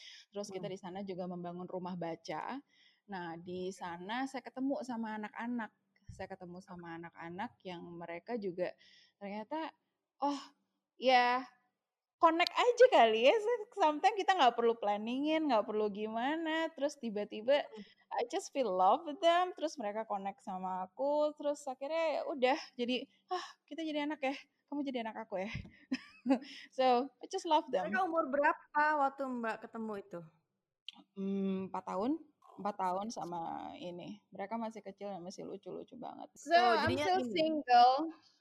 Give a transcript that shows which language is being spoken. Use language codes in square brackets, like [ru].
[id] Terus kita di sana juga membangun rumah baca. Nah, di sana saya ketemu sama anak-anak. Saya ketemu sama anak-anak yang mereka juga ternyata, oh ya connect aja kali ya. Sometimes kita gak perlu planningin, gak perlu gimana. Terus tiba-tiba [en] I just feel love with them. [id] Terus mereka connect sama aku. Terus akhirnya udah jadi, ah kita jadi anak ya, kamu jadi anak aku ya. [en] So I just love them. [id] Mereka umur berapa waktu Mbak ketemu itu? 4 tahun sama ini. Mereka masih kecil dan masih lucu-lucu banget. [en] So, I'm still single.